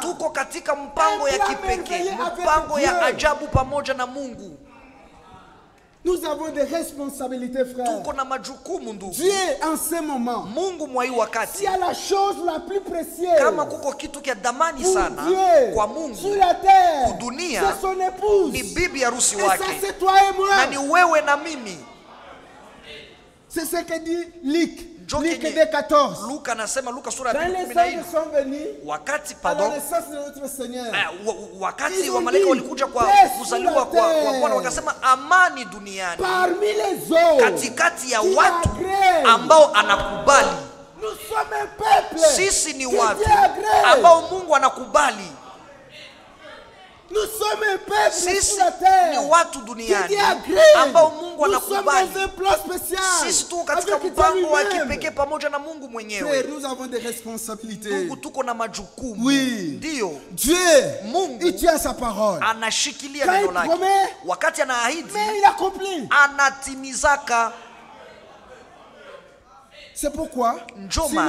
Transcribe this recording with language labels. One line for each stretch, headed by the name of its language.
Swahili: Tuko katika mpango ya kipekee. Mpango ya ajabu pamoja na Mungu.
French: Nous avons des responsabilités, frère.
Swahili: Tuko na majukumu ndugu.
French: Dieu en ce moment.
Swahili: Mungu mwa hii wakati.
French: C'est la chose la plus précieuse.
Swahili: Kama kuko kitu kia damani sana.
French: Dieu,
Swahili: kwa Mungu.
French: Sur la terre.
Swahili: Kudunia.
French: C'est son épouse.
Swahili: Ni bibi harusi wake.
French: Et ça c'est toi et moi.
Swahili: Na ni wewe na mimi.
French: C'est ce que dit Luc. Luc 2:14.
Swahili: Luka nasema Luka sura ya 14. Wakati pardon.
French: Alors ça c'est notre Seigneur.
Swahili: Wakati wa malaika walikuja kwa kuzaliwa kwa Bwana wakasema amani duniani.
French: Parmi les hommes.
Swahili: Katikati ya watu ambao anakubali.
French: Nous sommes un peuple.
Swahili: Sisi ni watu ambao Mungu anakubali.
French: Nous sommes un peuple
Swahili: sisi,
French: sur la terre.
Swahili: Ni watu duniani ambao Mungu anakubali.
French: Nous sommes un plan spécial.
Swahili: Sisi tuko katika mpango wa kipekee pamoja na Mungu mwenyewe.
French: Frère, nous avons des responsabilités.
Swahili: Mungu tuko na majukumu.
French: Oui.
Swahili: Ndio.
French: Dieu.
Swahili: Mungu.
French: Il tient sa parole.
Swahili: Anashikilia neno lake. Wakati anaahidi.
French: Mais il accomplit.
Swahili: Anatimizaka.
French: C'est pourquoi
Swahili: Njomana,